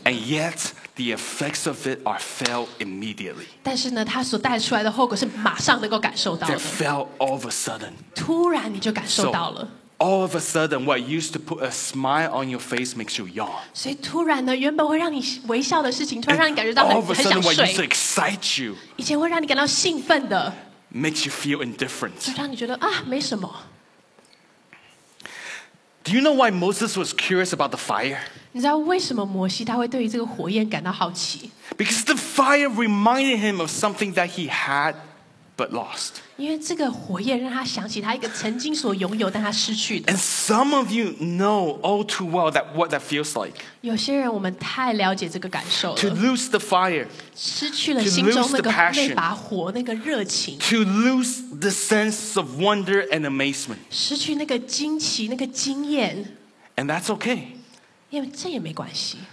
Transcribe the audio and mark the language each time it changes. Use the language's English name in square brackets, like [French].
[English] And yet the effects of it are felt immediately. [Chinese] 但是呢，它所带出来的后果是马上能够感受到的。 [English] They're felt all of a sudden. [Chinese] 突然你就感受到了。 [English] All of a sudden, what used to put a smile on your face makes you yawn. [Chinese] 所以突然呢，原本会让你微笑的事情，突然让你感觉到很想睡。 [English] All of a sudden, what used to excite you, [Chinese] 以前会让你感到兴奋的 [English] makes you feel indifferent. [Chinese] 就让你觉得啊，没什么。 [English] Do you know why Moses was curious about the fire? [Chinese] 你知道为什么摩西他会对于这个火焰感到好奇？ [English] Because the fire reminded him of something that he had. But lost. [Chinese] 因为这个火焰让他想起他一个曾经所拥有但他失去的。 [English] And some of you know all too well that what that feels like. [Chinese] 有些人我们太了解这个感受了。 [English] To lose the fire. [Chinese] 失去了心中那把火那个热情。 [English] To lose the sense of wonder and amazement. [Chinese] 失去那个惊奇那个惊艳。 [English] And that's okay. [Chinese] 因为这也没关系。